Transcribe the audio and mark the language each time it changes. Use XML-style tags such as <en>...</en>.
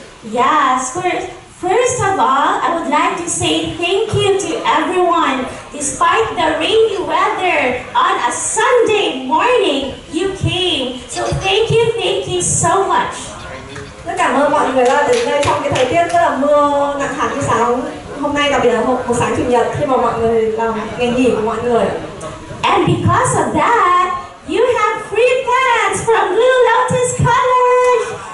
<en>Yes, first of all, I would like to say thank you to everyone. Despite the rainy weather on a Sunday morning, you came. So thank you so much.</en> <vi>Rất cảm ơn mọi người đã đến đây trong cái thời tiết rất là mưa nặng hạt như sáng hôm nay, đặc biệt là một sáng chủ nhật khi mà mọi người làm ngày nghỉ của mọi người.</vi> <en>And because of that, you have free pants from Blue Lotus College!</en>